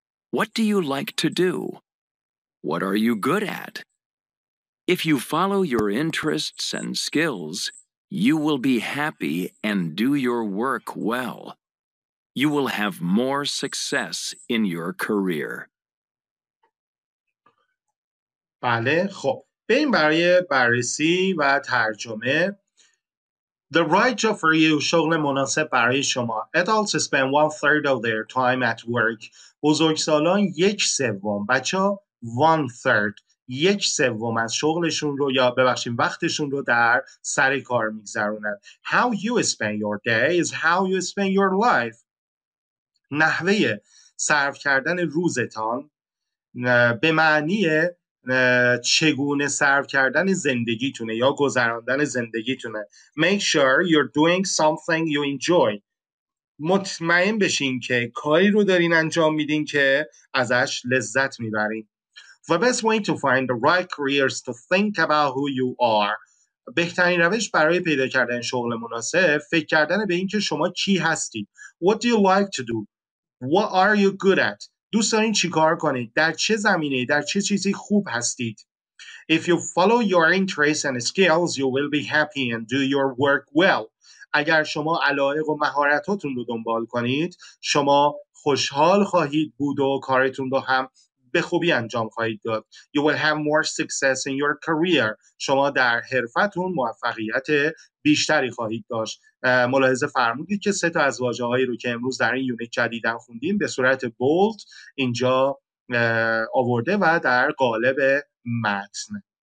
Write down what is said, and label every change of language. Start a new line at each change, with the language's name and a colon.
English: What do you like to do? What are you good at? If you follow your interests and skills, you will be happy and do your work well. You will have more success in your career.
Persian: بله، خب بریم برای بررسی و ترجمه.
English: The right job for you،
Persian: شغل مناسب برای شما.
English: Adults spend one third of their time at work.
Persian: بزرگسالان یک سوم، بچه
English: one third،
Persian: یک سوم از شغلشون رو یا ببخشیم وقتشون رو در سر کار میگذرونن.
English: How you spend your day is how you spend your life.
Persian: نحوه صرف کردن روزتان به معنی چگونه صرف کردن زندگیتونه یا گذراندن زندگیتونه.
English: Make sure you're doing something you enjoy.
Persian: مطمئن بشین که کاری رو دارین انجام میدین که ازش لذت میبرین.
English: The best way to find the right career is to think about who you are.
Persian: بهترین روش برای پیدا کردن شغل مناسب فکر کردن به اینکه شما کی هستید.
English: What do you like to do? What are you good at?
Persian: دوست دارین چی کار کنید؟ در چه زمینه‌ای؟ در چه چیزی خوب هستید؟
English: If you follow your interests and skills, you will be happy and do your work well.
Persian: اگر شما علایق و مهارتاتون رو دنبال کنید، شما خوشحال خواهید بود و کارتون رو هم به خوبی انجام خواهید داد.
English: You will have more success in your career.
Persian: شما در حرفتون موفقیت بیشتری خواهید داشت. ملاحظه فرمودید که سه تا از واژه‌هایی رو که امروز در این یونیت جدیدن خوندیم به صورت بولد اینجا آورده و در قالب متن.